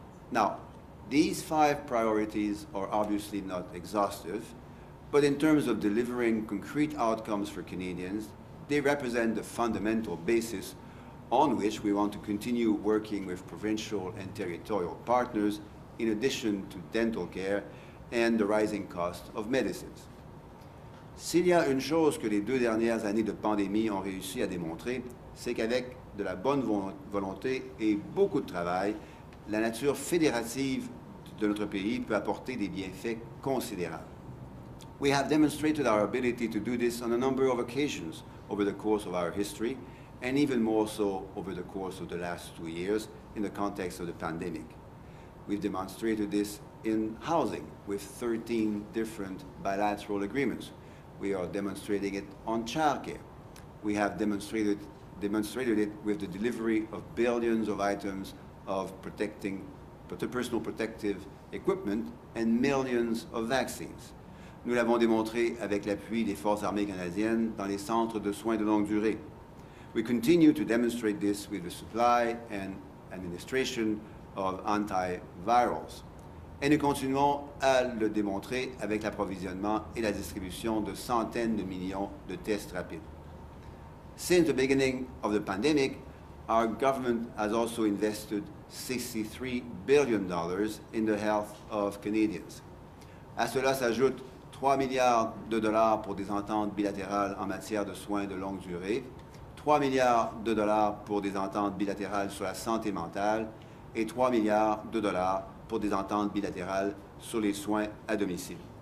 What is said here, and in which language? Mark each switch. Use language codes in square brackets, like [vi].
[en] Now, these five priorities are obviously not exhaustive, but in terms of delivering concrete outcomes for Canadians, they represent the fundamental basis on which we want to continue working with provincial and territorial partners, in addition to dental care and the rising cost of medicines. [fr] S'il y a une chose que les deux dernières années de pandémie ont réussi à démontrer, c'est qu'avec de la bonne volonté et beaucoup de travail, la nature fédérative de notre pays peut apporter des bienfaits considérables. [en] We have demonstrated our ability to do this on a number of occasions over the course of our history, and even more so over the course of the last 2 years in the context of the pandemic. We've demonstrated this in housing with 13 different bilateral agreements. We are demonstrating it on childcare. We have demonstrated it with the delivery of billions of items of personal protective equipment and millions of vaccines. [fr] Nous l'avons démontré avec l'appui des forces armées canadiennes dans les centres de soins de longue durée. [en] We continue to demonstrate this with the supply and administration of antivirals. [fr] Et nous continuons à le démontrer avec l'approvisionnement et la distribution de centaines de millions de tests rapides. [en] Since the beginning of the pandemic, our government has also invested $63 billion in the health of Canadians. [fr] À cela s'ajoutent 3 milliards de dollars pour des ententes bilatérales en matière de soins de longue durée, 3 milliards de dollars pour des ententes bilatérales sur la santé mentale et 3 milliards de dollars pour des ententes bilatérales sur les soins à domicile.